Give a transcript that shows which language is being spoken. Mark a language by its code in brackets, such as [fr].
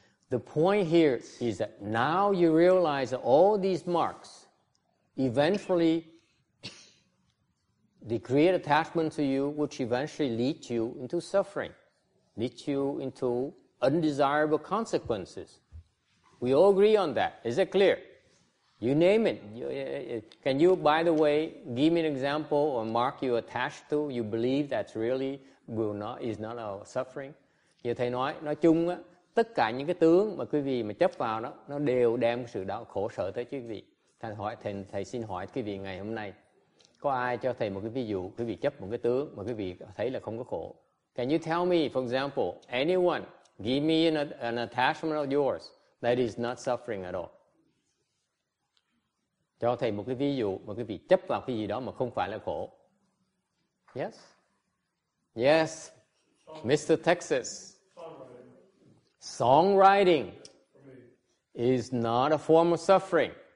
[en] The point here is that now you realize that all these marks eventually they create attachment to you, which eventually leads you into suffering, leads you into undesirable consequences. We all agree on that. Is it clear? You name it. Can you, by the way, give me an example or mark you attached to, you believe that's really will not, is not a suffering? [vi] Như thầy nói chung á, tất cả những cái tướng mà quý vị mà chấp vào đó, nó đều đem sự đau khổ sở tới quý vị. Thầy xin hỏi quý vị ngày hôm nay, có ai cho thầy một cái ví dụ, quý vị chấp một cái tướng mà quý vị thấy là không có khổ? [en] Can you tell me, for example, anyone, give me an attachment of yours that is not suffering at all? [vi] Cho thầy một cái ví dụ mà quý vị chấp vào cái gì đó mà không phải là khổ. [en] Yes? Yes, Mr. Texas. Songwriting is not a form of suffering.